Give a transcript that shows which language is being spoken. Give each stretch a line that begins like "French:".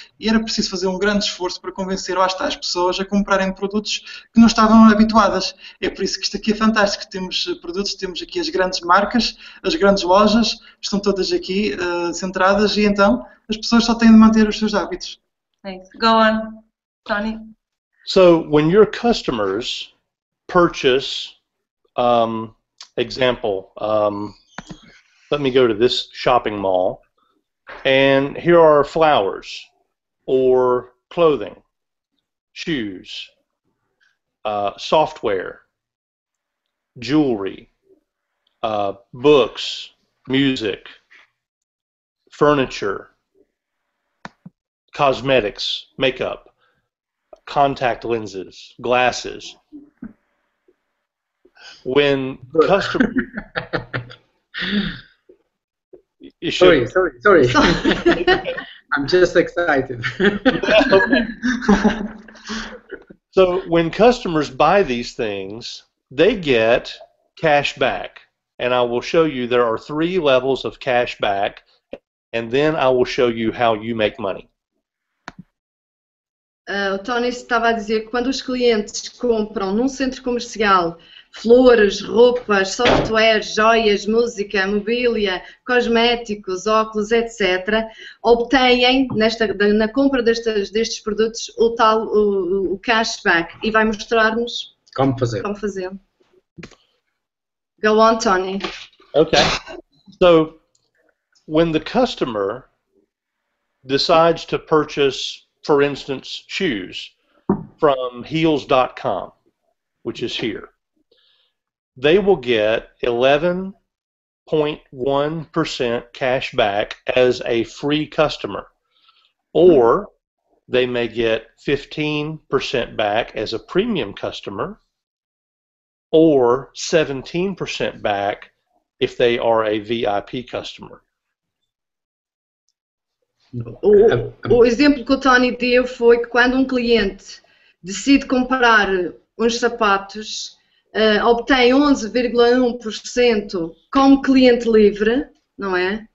Portuguese: E era preciso fazer um grande esforço para convencer lá está as pessoas a comprarem produtos que não estavam habituadas. É por isso que isto aqui é fantástico. Temos produtos, temos aqui as grandes marcas, as grandes lojas, estão todas aqui centradas e então as pessoas só têm de manter os seus hábitos.
English: Thanks. Go on, Tony. So, when your customers purchase, example, let me go to this shopping mall, and here are flowers, or clothing, shoes, software, jewelry, books, music, furniture, cosmetics, makeup, contact lenses, glasses. When customers... Sorry. I'm just excited. So when customers buy these things, they get cash back. And I will show you there are three levels of cash back, and then I will show you how you make money.
Portuguese: O Tony estava a dizer que quando os clientes compram num centro comercial flores, roupas, software, joias, música, mobília, cosméticos, óculos, etc., obtêm na compra destes produtos o cashback e vai mostrar-nos como fazer. Como fazer.
English: Go on, Tony. Okay. So, when the customer decides to purchase, for instance, shoes from heels.com, which is here, they will get 11.1% cash back as a free customer, or they may get 15% back as a premium customer, or 17% back if they are a VIP customer.
Portuguese: O exemplo que o Tony deu foi que quando um cliente decide comprar uns sapatos, obtém 11,1% como cliente livre, não é?